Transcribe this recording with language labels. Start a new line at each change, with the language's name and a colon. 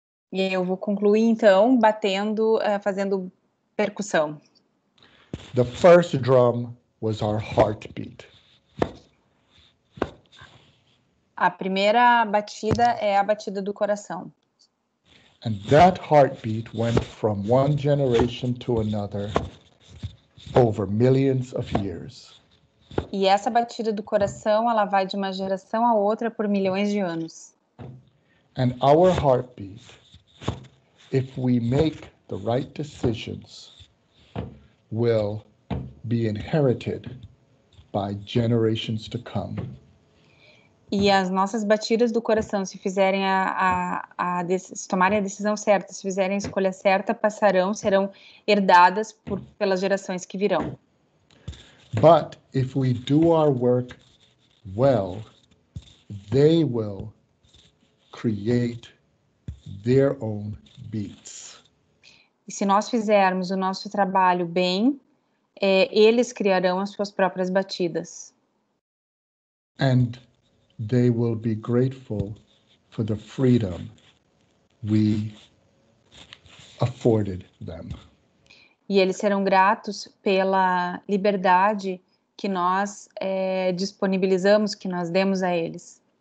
Portuguese: E eu vou concluir então batendo, fazendo percussão.
English: The first drum was our heartbeat.
Portuguese: A primeira batida é a batida do coração.
English: And that heartbeat went from one generation to another over millions of years.
Portuguese: E essa batida do coração, ela vai de uma geração a outra por milhões de anos.
English: And our heartbeat, if we make the right decisions, will be inherited by generations to come.
Portuguese: E as nossas batidas do coração, se fizerem se tomarem a decisão certa, se fizerem a escolha certa, passarão, serão herdadas pelas gerações que virão.
English: But if we do our work well, they will create their own beats.
Portuguese: E se nós fizermos o nosso trabalho bem, eles criarão as suas próprias batidas.
English: And they will be grateful for the freedom we afforded them.
Portuguese: E eles serão gratos pela liberdade que nós disponibilizamos, que nós demos a eles.